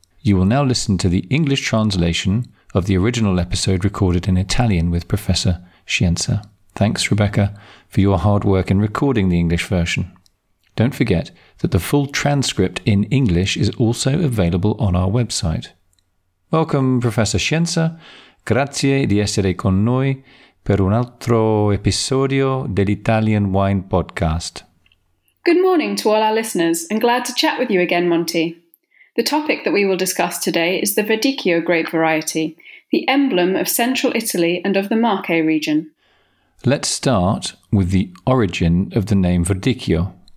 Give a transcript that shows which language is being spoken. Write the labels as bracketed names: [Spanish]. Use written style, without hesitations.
[English] You will now listen to the English translation of the original episode recorded in Italian with Professor Scienza. Thanks, Rebecca, for your hard work in recording the English version. Don't forget that the full transcript in English is also available on our website. Welcome, Professor Scienza. [Italian] Grazie di essere con noi per un altro episodio dell'Italian Wine Podcast. [English] Good morning to all our listeners, and glad to chat with you again, Monty. The topic that we will discuss today is the Verdicchio grape variety, the emblem of central Italy and of the Marche region. Let's start with the origin of the name Verdicchio.